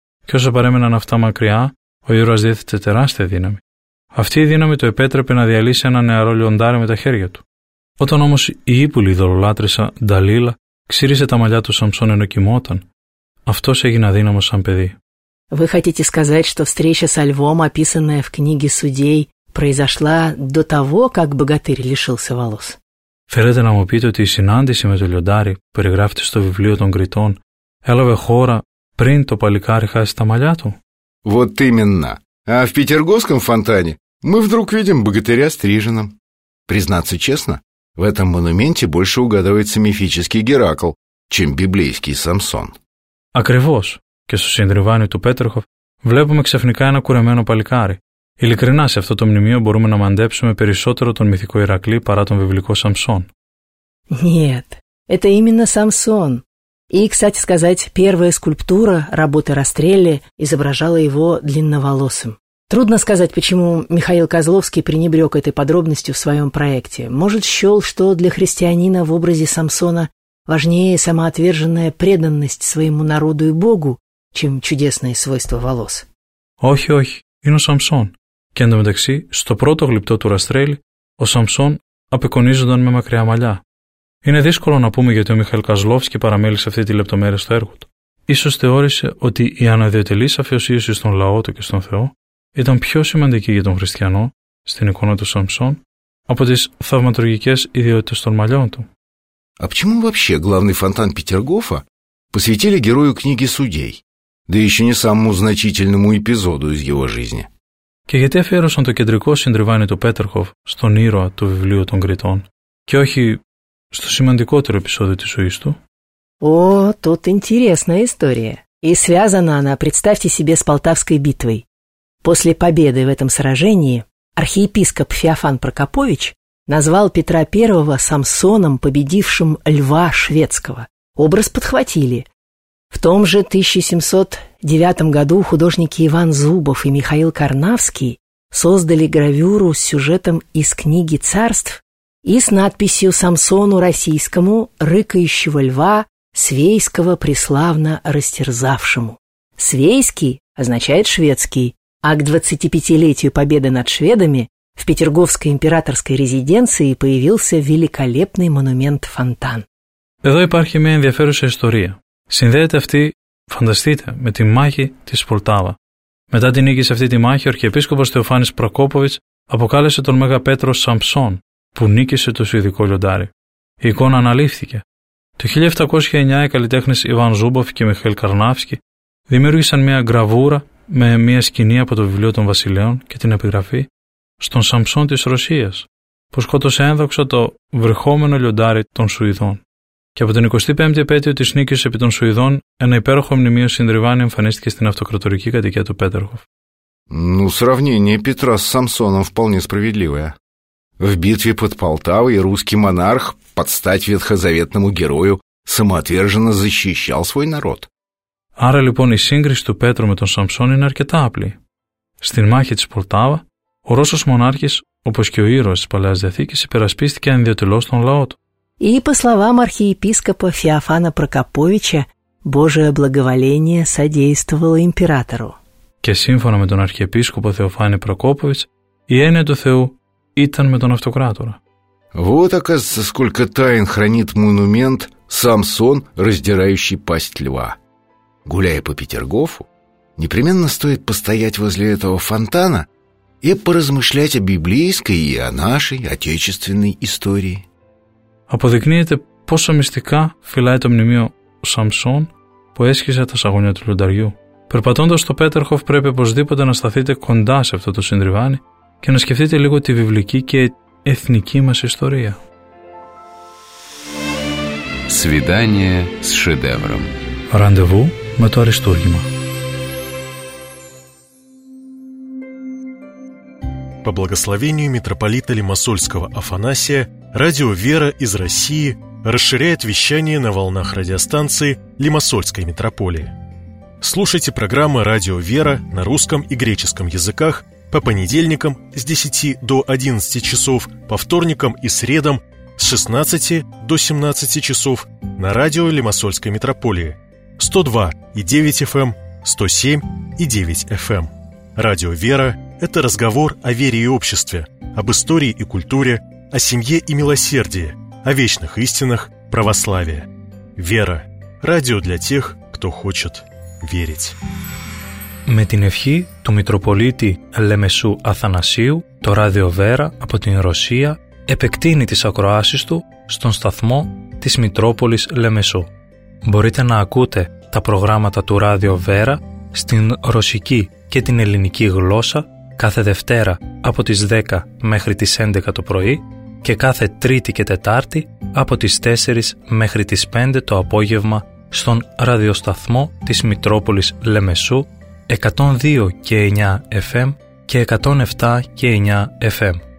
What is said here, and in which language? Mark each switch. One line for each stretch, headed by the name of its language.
Greek: Και όσο παρέμεναν αυτά μακριά, ο ήρωας διέθετε τεράστια δύναμη. Αυτή η δύναμη το επέτρεπε να διαλύσει ένα νεαρό λιοντάρι με τα χέρια του. Όταν όμως η ύπουλη ιδωλολάτρησα Νταλίλα ξύρισε τα μαλλιά του Σαμσόν ενώ κοιμόταν, αυτός έγινε αδύναμος σαν παιδί.
Russian: Вы хотите сказать, что встреча со львом, описанная в книге Судей, произошла до того, как богатырь лишился волос?
Greek: Θέλετε να μου πείτε ότι η συνάντηση με το λιοντάρι, που περιγράφεται στο βιβλίο των Κριτών, έλαβε χώρα πριν το παλικάρι χάσει τα μαλλιά του?
Russian: Вот именно. А в Петергофском фонтане мы вдруг видим богатыря стриженным. Признаться честно, в этом монументе больше угадывается мифический Геракл, чем библейский Самсон.
Greek: Ακριβώς. Και στο συντριβάνι του Πέτερχοφ βλέπουμε ξαφνικά ένα κουρεμένο παλικάρι. Ειλικρινά, σε αυτό το μνημείο μπορούμε να μαντέψουμε περισσότερο τον μυθικό Ηρακλή παρά τον βιβλικό Σαμσόν.
Russian: Нет, это именно Самсон. И, кстати сказать, первая скульптура работы Растрелли изображала его длинноволосым. Трудно сказать, почему Михаил Козловский пренебрег этой подробностью в своем проекте. Может, счел, что для христианина в образе Самсона важнее самоотверженная преданность своему народу и Богу, чем чудесные свойства волос.
Greek: Όχι, όχι, είναι ο Самсон. Και εντωμεταξύ, στο πρώτο γλυπτό του Растрелли, ο Самсон απεικονίζονταν με μακριά μαλλιά. Είναι δύσκολο να πούμε γιατί ο Μιχαήλ Козловский παραμέλησε αυτή τη λεπτομέρεια στο έργο του. Ίσως θεώρησε ότι η αναδιατελής αφοσίωση στον λαό του και στον Θεό ήταν πιο σημαντική για τον χριστιανό, στην εικόνα του Σαμσόν, από τις θαυματουργικές ιδιότητες των μαλλιών του.
Russian: А почему вообще главный фонтан Петергофа посвятили герою книги Судей, да еще не самому значительному эпизоду из его жизни?
Greek: Και γιατί αφιέρωσαν το κεντρικό συντριβάνι του Πέτερχοφ στον ήρωα του βιβλίου των Κριτών και όχι στο σημαντικότερο επεισόδιο της ζωής του?
Russian: О, тут интересная история. И связана она, представьте себе, с Полтавской битвой. После победы в этом сражении архиепископ Феофан Прокопович назвал Петра I Самсоном, победившим льва шведского. Образ подхватили. В том же 1709 году художники Иван Зубов и Михаил Карнавский создали гравюру с сюжетом из книги «Царств» и с надписью «Самсону российскому, рыкающего льва, «Свейского преславно растерзавшему». «Свейский» означает «шведский», а к 25-летию победы над шведами в Петерговской императорской резиденции появился великолепный монумент-фонтан.
Greek: Εδώ υπάρχει μια ενδιαφέρουσα ιστορία. Συνδέεται αυτή, φανταστείτε, με τη μάχη της Πολτάβα. Μετά την νίκη σε αυτή τη μάχη, ο αρχιεπίσκοπος Θεοφάνης Προκόποβιτς αποκάλεσε τον Μέγα Πέτρο Σαμψόν, που νίκησε το Σουηδικό Λιοντάρι. Η εικόνα αναλήφθηκε. Το 1709 οι καλλιτέχνες Ιβάν Ζούμποφ και Μιχαήλ Καρνάφσκι δημιούργησαν μια γραβούρα με μια σκηνή από το βιβλίο των Βασιλέων και την επιγραφή «Στον Σαμψόν της Ρωσίας», που σκότωσε ένδοξα το βρεχόμενο λιοντάρι των Σουηδών. Και από την 25η επέτειο της νίκης επί των Σουηδών, ένα υπέροχο μνημείο συντριβάνι εμφανίστηκε στην αυτοκρατορική κατοικία του Πέτεργοφ.
Russian: Ну, сравнение Петра с Самсоном вполне справедливое. В битве под Полтавой русский монарх, под стать ветхозаветному герою, самоотверженно защищал свой народ.
Greek: Άρα λοιπόν η σύγκριση του Πέτρου με τον Σαμψόν είναι αρκετά απλή. Στην μάχη της Πολτάβα, ο Ρώσος μονάρχης, όπως και ο ήρωας της Παλαιάς Διαθήκης, υπερασπίστηκε ανδιοτελώς τον λαό του. Είπα
Russian: словам архиепископа Феофана Прокоповича, Божие благоволение содействовало императору.
Greek: Και σύμφωνα με τον αρχιεπίσκοπο Θεοφάνη Προκόποβιτς, η έννοια του Θεού ήταν με τον αυτοκράτορα.
Russian: Вот, оказывается, сколько тайн хранит монумент Самсон, раздирающий пасть льва. Гуляя по Петергофу, непременно стоит постоять возле этого фонтана и поразмышлять о библейской и о нашей отечественной истории.
Greek: Αποδεικνύεται πόσο μυστικά φυλάει το μνημείο Σαμψόν που έσχισε τα σαγόνια του λιονταριού. Περπατώντας στο Πέτερχοφ πρέπει οπωσδήποτε να σταθείτε κοντά σε αυτό το συντριβάνι και να σκεφτείτε λίγο τη βιβλική και εθνική μας ιστορία.
Russian: Свидание с шедевром.
Greek: Ραντεβού με το Αριστούργημα.
Russian: По благословению митрополита Лимассольского Афанасия, радио «Вера» из России расширяет вещание на волнах радиостанции Лимассольской митрополии. Слушайте программы «Радио «Вера» на русском и греческом языках по понедельникам с 10 до 11 часов, по вторникам и средам с 16 до 17 часов на радио Лимассольской митрополии. 102.9 FM, 107.9 FM. Радио «Вера» – это разговор о вере и обществе, об истории и культуре, о семье и милосердии, о вечных истинах православия. «Вера» – радио для тех, кто хочет верить.
Greek: Με την ευχή του Μητροπολίτη Λεμεσού Αθανασίου, το Ράδιο «Βέρα» από την Ρωσία επεκτείνει τις ακροάσεις του στον σταθμό της Μητρόπολης Λεμεσού. Μπορείτε να ακούτε τα προγράμματα του Ράδιο «Βέρα» στην ρωσική και την ελληνική γλώσσα κάθε Δευτέρα από τις 10 μέχρι τις 11 το πρωί και κάθε Τρίτη και Τετάρτη από τις 4 μέχρι τις 5 το απόγευμα στον ραδιοσταθμό της Μητρόπολης Λεμεσού 102.9 FM και 107.9 FM.